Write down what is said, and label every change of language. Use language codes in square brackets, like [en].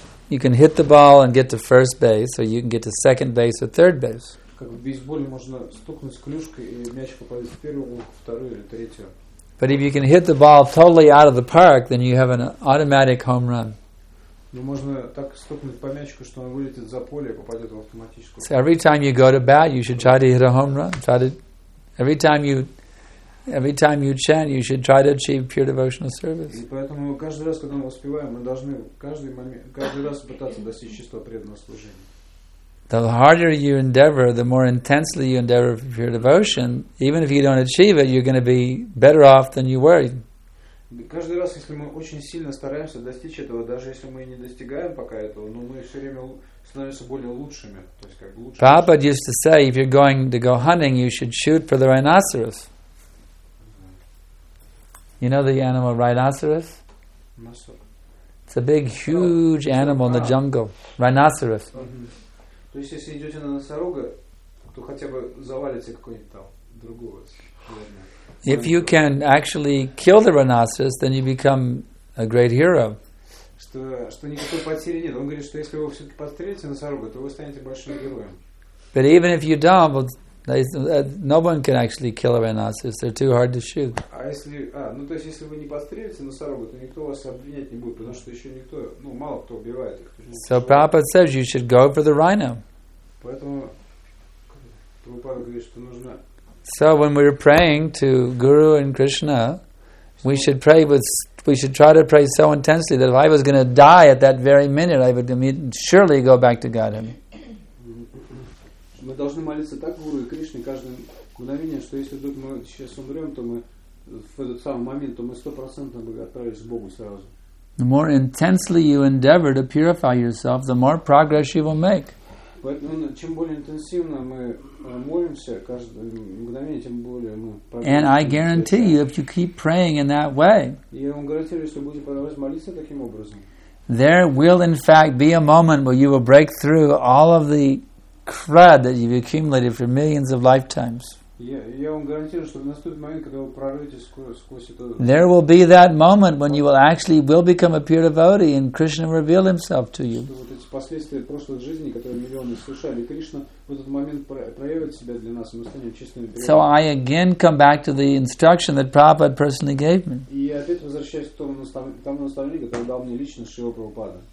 [en] you can hit the ball and get to first base, or you can get to second base or third base. [ru] Как в бейсболе можно стукнуть клюшкой и мяч попадет в первую, вторую или третью. [en] But if you can hit the ball totally out of the park, then you have an automatic home run. So every time you go to bat, you should try to hit a home run. Every time you chant, you should try to achieve pure devotional service. [ru] И поэтому каждый раз, когда мы воспеваем, мы должны каждый раз пытаться достичь чистого преданного служения. [en] The harder you endeavor, the more intensely you endeavor for pure devotion. Even if you don't achieve it, you're going to be better off than you were. [ru] Каждый раз, если мы очень сильно стараемся достичь этого, даже если мы не достигаем пока этого, но мы все время становимся более лучшими, то есть как лучше. [en] Prabhupada used to say, if you're going to go hunting, you should shoot for the rhinoceros. You know the animal rhinoceros? It's a big, huge animal in the jungle. Rhinoceros. [ru] То есть, если идете на носорога, то хотя бы завалите какой-нибудь там другого. [en] If you can actually kill the rhinoceros, then you become a great hero. [ru] Что никакой потери нет. Он говорит, что если вы все-таки подстрелите носорога, то вы станете большим героем. [en] But even if you don't, well, no one can actually kill a rhinoceros. They're too hard to shoot. [ru] Если вы не подстрелите носорога, то никто вас обвинять не будет, потому что еще никто, ну, мало кто убивает их. [en] So Prabhupada says you should go for the rhino. [ru] Поэтому Прабхупада говорит, что нужно. [en] So when we're praying to Guru and Krishna, we should try to pray so intensely that if I was going to die at that very minute, I would surely go back to Godhead. [ru] Мы должны молиться так Гуру и Кришне каждое мгновение, что если вдруг мы сейчас умрем, то мы в этот самый момент, то мы 100% бы отправились к Богу сразу. [en] The more intensely you endeavor to purify yourself, the more progress you will make. [ru] Чем более интенсивно мы молимся каждое мгновение, тем более мы. [en] And I guarantee you, if you keep praying in that way, [ru] я вам гарантирую, если будете продолжать молиться таким образом, [en] there will in fact be a moment where you will break through all of the crud that you've accumulated for millions of lifetimes. [ru] Я вам гарантирую, что наступит момент, когда вы прорвете сквозь это. [en] There will be that moment when you will become a pure devotee and Krishna reveal himself to you. [ru] Вот эти последствия прошлых жизней, которые миллионы совершали, Кришна в этот момент проявит себя для нас, и мы станем чистыми. [en] So I again come back to the instruction that Prabhupada personally gave me. [ru] И я опять возвращаюсь к тому наставлению, которое дал мне лично Шрила Прабхупада.